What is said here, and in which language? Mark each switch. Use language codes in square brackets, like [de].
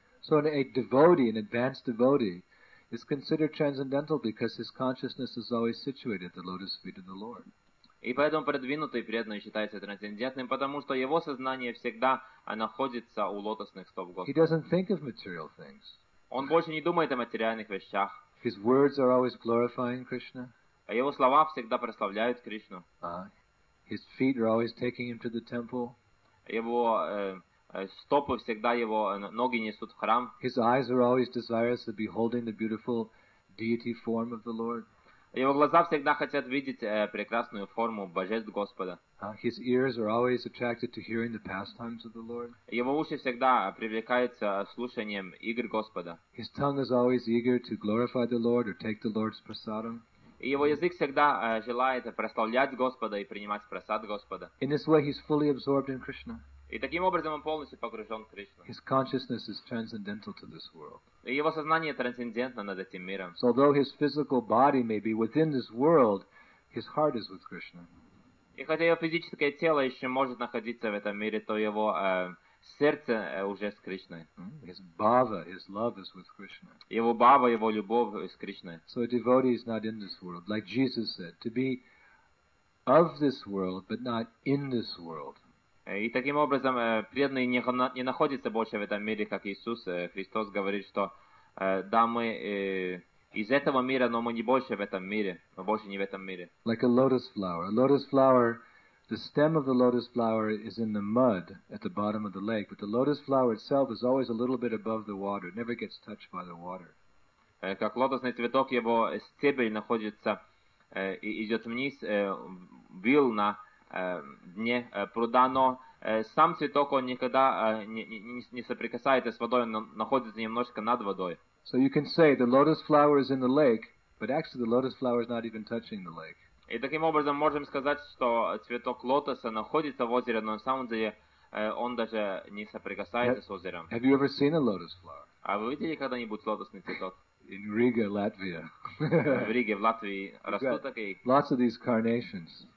[en] So a devotee, an advanced devotee, is considered transcendental because his consciousness is always situated at the lotus feet of the Lord. [ru] И поэтому продвинутый преданный считается трансцендентным, потому что его сознание всегда находится у лотосных стоп Господа. [en] He doesn't think of material things. [ru] Он больше не думает о материальных вещах. [en] His words are always glorifying Krishna. [ru] А его слова всегда прославляют Кришну. [en] His feet are always taking him to the temple. [ru] Его стопы всегда его ноги несут в храм. [en] His eyes are always desirous of beholding the beautiful deity form of the Lord. [ru] Его глаза всегда хотят видеть прекрасную форму божеств Господа. [en] His ears are always attracted to hearing the pastimes of the Lord. [ru] Его уши всегда привлекаются слушанием игр Господа. [en] His tongue is always eager to glorify the Lord or take the Lord's prasadam. [ru] И его язык всегда желает прославлять Господа и принимать прасад Господа. [en] In this way, he's fully absorbed in Krishna. [ru] И таким образом он полностью погружен в Кришну. [en] His consciousness is transcendental to this world. [ru] И его сознание трансцендентно над этим миром. [en] So although his physical body may be within this world, his heart is with Krishna. [ru] И хотя его физическое тело еще может находиться в этом мире, то его сердце уже с Кришной. [en] His bhava, his love is with Krishna. [ru] Его бхава, его любовь с Кришной. [en] So a devotee is not in this world, like Jesus said, to be of this world, but not in this world. [ru] И таким образом преданный не находится больше в этом мире, как Иисус. Христос говорит, что да, мы из этого мира, но мы не больше в этом мире, мы больше не в этом мире. [en] Like a lotus flower. A lotus flower, the stem of the lotus flower is in the mud at the bottom of the lake, but the lotus flower itself is always a little bit above the water. It never gets touched by the water. [ru] Как лотосный цветок, его стебель находится и идет вниз, вил на дне пруда, но сам цветок, он никогда не соприкасается с водой, он находится немножко над водой. [en] So you can say the lotus flower is in the lake, but actually the lotus flower is not even touching the lake. [ru] И таким образом можем сказать, что цветок лотоса находится в озере, но на самом деле он даже не соприкасается с озером. [en] Have you ever seen a lotus flower? [ru] А вы видели когда-нибудь лотосный цветок? [en] In Riga, Latvia. [ru] В Риге, в Латвии растут такие. [en] Lots of these carnations.